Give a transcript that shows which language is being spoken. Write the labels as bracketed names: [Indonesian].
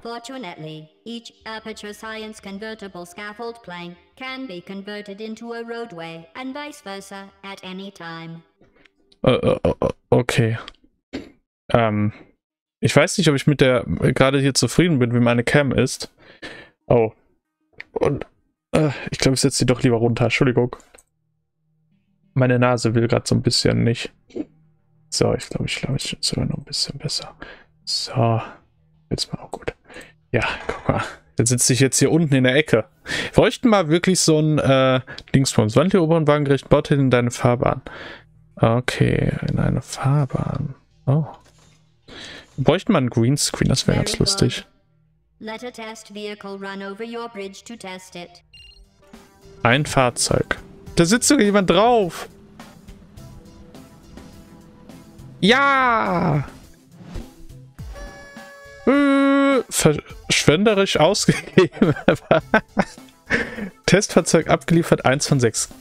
[English] Fortunately, each Aperture Science convertible scaffold plank can be converted into a roadway and vice versa at any time. Okay. [German] Ich weiß nicht, ob ich mit der gerade hier zufrieden bin, wie meine Cam ist. Oh. Und ich glaube, ich setze sie doch lieber runter. Entschuldigung. Meine Nase will gerade so ein bisschen nicht. So, ich glaube, ich schütze noch ein bisschen besser. So, jetzt mal auch gut. Ja, guck mal. Dann sitze ich jetzt hier unten in der Ecke. Bräuchten mal wirklich so ein Dingsbums. Wand hier oben und Wagengericht, baut hin in deine Fahrbahn. Okay, in eine Fahrbahn. Oh. Bräuchten mal ein Greenscreen, das wäre ganz lustig. [English] Let a test vehicle run over your bridge to test it. [German] Ein Fahrzeug. Da sitzt sogar jemand drauf. Ja! Verschwenderisch ausgegeben. Testfahrzeug abgeliefert, 1 von 6.